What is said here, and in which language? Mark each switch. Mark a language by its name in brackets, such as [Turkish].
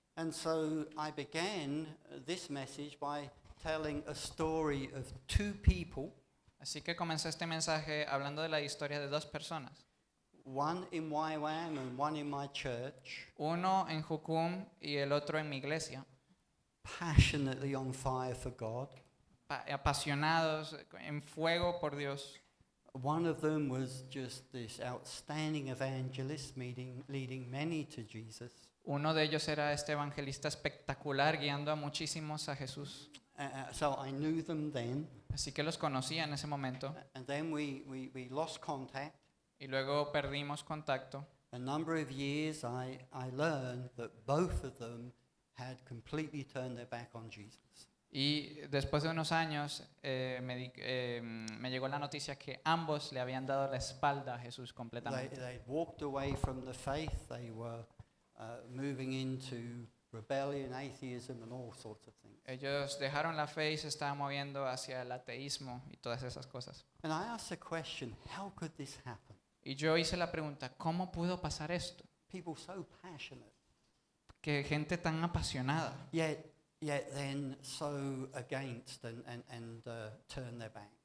[English] And so I began this message by telling a story of two people. [Spanish] Así que comencé este mensaje hablando de la historia de dos personas. [English] One in YWAM and one in my church. [Spanish] Uno en Jukum y el otro en mi iglesia. [English] Passionately on fire for God. [Spanish] Apasionados en fuego por Dios. [English] One of them was just this outstanding evangelist leading many to Jesus. [Spanish] Uno de ellos era este evangelista espectacular guiando a muchísimos a Jesús. [English] So I knew them then. [Spanish] Así que los conocía en ese momento. [English] And then we lost contact. [Spanish] Y luego perdimos contacto. [English] A number of years I learned that both of them had completely turned their back on Jesus. [Spanish] Y después de unos años me llegó la noticia que ambos le habían dado la espalda a Jesús completamente. [English] They walked away from the faith. They were moving into rebellion, atheism, and all sorts of things. [Spanish] Ellos dejaron la fe y se estaban moviendo hacia el ateísmo y todas esas cosas. [English] And I asked the question, how could this happen? [Spanish] Y yo hice la pregunta, ¿cómo pudo pasar esto? [English] People so passionate. [Spanish] Que gente tan apasionada. [English] Yet then so against and turn their back.